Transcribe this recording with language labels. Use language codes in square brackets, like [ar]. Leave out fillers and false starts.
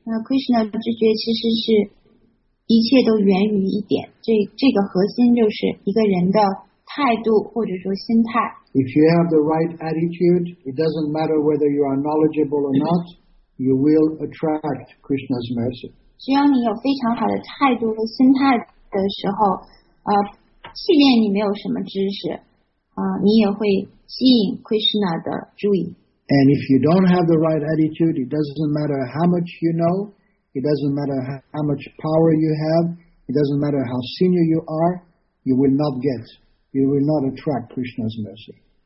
[en] Krishna consciousness is only about one thing, and that's attitude. If you have the right attitude, it doesn't matter whether you are knowledgeable or not, you will attract Krishna's mercy. [zh] 只要你有非常好的态度和心态的时候，即便你没有什么知识，你也会吸引Krishna的注意。 [en] And if you don't have the right attitude, it doesn't matter how much you know, it doesn't matter how much power you have, it doesn't matter how senior you are, you will not attract Krishna's mercy.